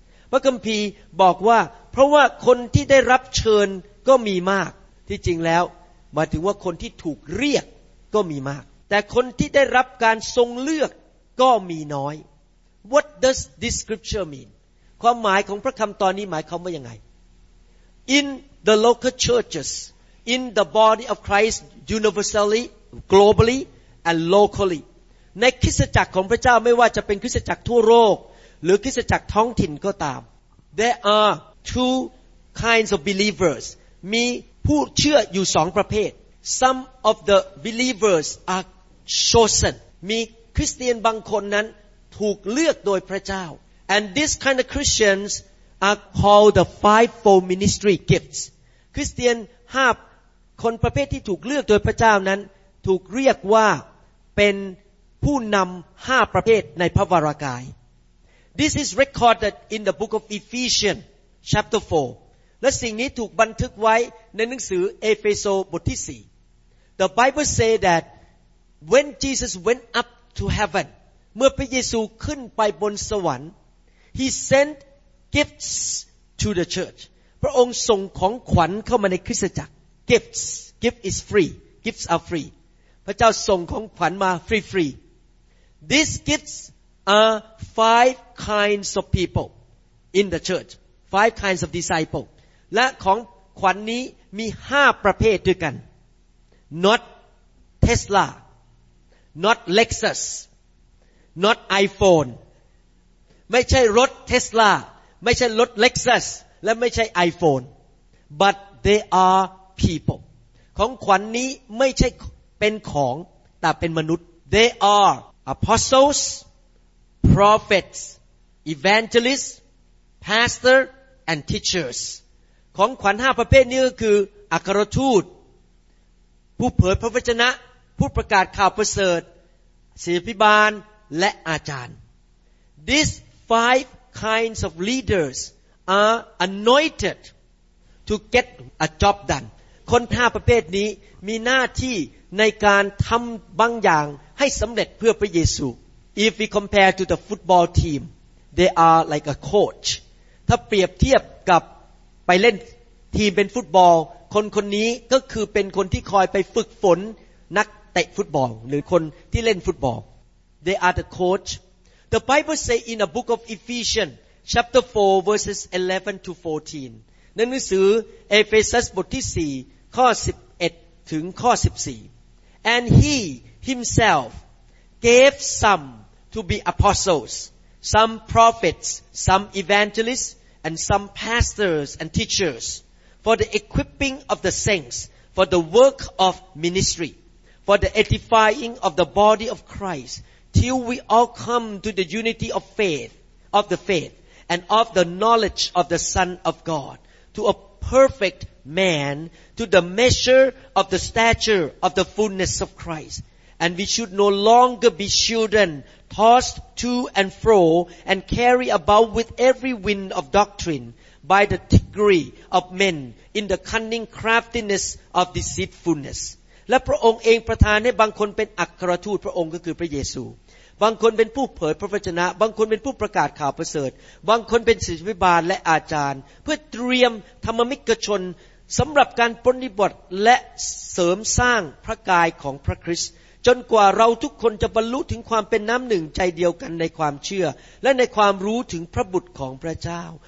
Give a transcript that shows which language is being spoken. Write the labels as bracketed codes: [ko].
[th] พระคัมภีร์บอกว่าเพราะว่าคนที่ได้รับเชิญก็มีมากที่จริงแล้วหมายถึงว่าคนที่ถูกเรียกก็มีมากแต่คนที่ได้รับการทรงเลือกก็มีน้อย [en] What does this scripture mean [th] ความหมายของพระคำตอนนี้หมายความว่ายังไง [en] In the local churches in the body of Christ universally globally and locally [th] ในคริสตจักรของพระเจ้าไม่ว่าจะเป็นคริสตจักรทั่วโลกหรือคริสตจักรท้องถิ่นก็ตาม [en] There areTwo kinds of believers. [th] มีผู้เชื่ออยู่สองประเภท [en] Some of the believers are chosen. [th] มีคริสเตียนบางคนนั้นถูกเลือกโดยพระเจ้า [en] And these kind of Christians are called the fivefold ministry gifts. [th] คริสเตียนห้าคนประเภทที่ถูกเลือกโดยพระเจ้านั้นถูกเรียกว่าเป็นผู้นำห้าประเภทในพระวรกาย [en] This is recorded in the book of Ephesians. Chapter 4. [th] และสิ่งนี้ถูกบันทึกไว้ในหนังสือเอเฟโซบทที่4. [en] The Bible say that when Jesus went up to heaven, [th] เมื่อพระเยซูขึ้นไปบนสวรรค์ [en] He sent gifts to the church. [th] พระองค์ส่งของขวัญเข้ามาในคริสตจักร [en] Gifts. Gift is free. Gifts are free. [th] พระเจ้าส่งของขวัญมาฟรี [en] ๆ These gifts are five kinds of people in the church. Five kinds of disciples. [th] และของขวัญนี้มี5ประเภทด้วยกัน [en] Not Tesla. Not Lexus. Not iPhone. [th] ไม่ใช่รถ Tesla. ไม่ใช่รถ Lexus. และไม่ใช่ iPhone. [en] But they are people. [th] ของขวัญนี้ไม่ใช่เป็นของแต่เป็นมนุษย์ [en] They are apostles, prophets, evangelists,Pastor and teachers [th] ของขวัญ5ประเภทนี้ก็คืออัครทูตผู้เผยพระวจนะผู้ประกาศข่าวประเสริฐศิษยาภิบาลและอาจารย์ [en] These five kinds of leaders are anointed to get a job done [th] คน5ประเภทนี้มีหน้าที่ในการทำบางอย่างให้สำเร็จเพื่อพระเยซู [en] If we compare to the football teamThey are like a coach. [th] ถ้าเปรียบเทียบกับไปเล่นทีมเป็นฟุตบอลคนคนนี้ก็คือเป็นคนที่คอยไปฝึกฝนนักเตะฟุตบอลหรือคนที่เล่นฟุตบอล [en] They are the coach. The Bible say in the book of Ephesians chapter 4 verses 11 to 14. [th] ในหนังสือเอเฟซัสบทที่4ข้อ11ถึงข้อ14. [en] And he himself gave some to be apostles. Some prophets, some evangelists, and some pastors and teachers for the equipping of the saints, for the work of ministry, for the edifying of the body of Christ, till we all come to the unity of faith, of the faith, and of the knowledge of the Son of God, to a perfect man, to the measure of the stature of the fullness of Christ, and we should no longer be children tossed to and fro and carry about with every wind of doctrine by the trickery of men in the cunning craftiness of deceitfulness [th] และพระองค์เองประทานให้บางคนเป็นอัครทูตพระองค์ก็คือพระเยซูบางคนเป็นผู้เผยพระวจนะบางคนเป็นผู้ประกาศข่าวประเสริฐบางคนเป็นศิษยาภิบาลและอาจารย์เพื่อเตรียมธรรมมิกชน สำหรับการปฏิบัติและเสริมสร้างพระกายของพระคริสต์จนกว่าเราทุกคนจะบรรลุถึงความเป็นน้ำหนึ่งใจเดียวกันในความเชื่อและในความรู้ถึงพระบุตรของพระเจ้า